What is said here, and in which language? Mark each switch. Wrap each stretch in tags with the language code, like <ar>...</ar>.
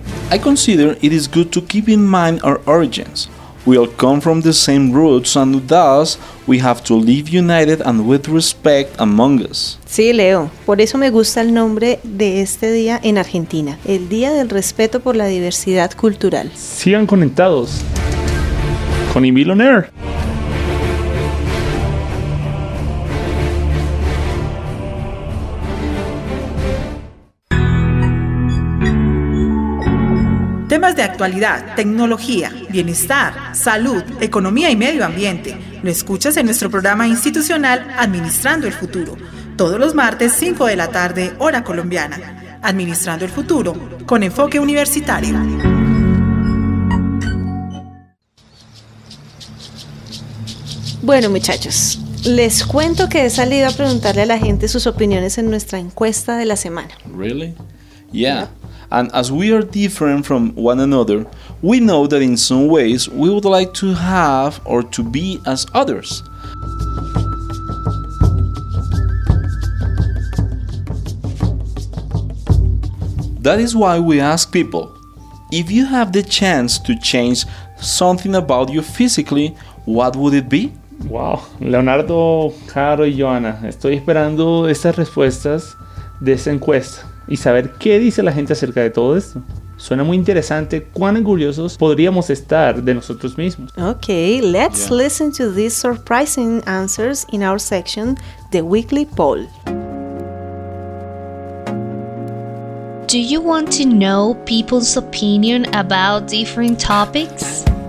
<en>I consider it is good to keep in mind our origins. We all come from the same roots, and thus we have to live united and with respect among us.</en> <es>Sí, Leo. Por eso me gusta el nombre de este día en Argentina, el Día del Respeto por la Diversidad Cultural. Sigan conectados con Invil On Air. Temas de actualidad, tecnología, bienestar, salud, economía y medio ambiente. Lo escuchas en nuestro programa institucional Administrando el Futuro, todos los martes 5 de la tarde, hora colombiana. Administrando el Futuro, con enfoque universitario. Bueno, muchachos, les cuento que he salido a preguntarle a la gente sus opiniones en nuestra encuesta de la semana.</es> <en>Really? Yeah. And as we are different from one another, we know that in some ways we would like to have or to be as others. That is why we ask people, if you have the chance to change something about you physically, what would it be?</en> <es>Wow, Leonardo, Caro y Joana, estoy esperando estas respuestas de esa encuesta. Y saber qué dice la gente acerca de todo esto. Suena muy interesante cuán orgullosos podríamos estar de nosotros mismos.</es> <en>Okay, let's listen to these surprising answers in our section, The Weekly Poll. Do you want to know people's opinion about different topics?</en>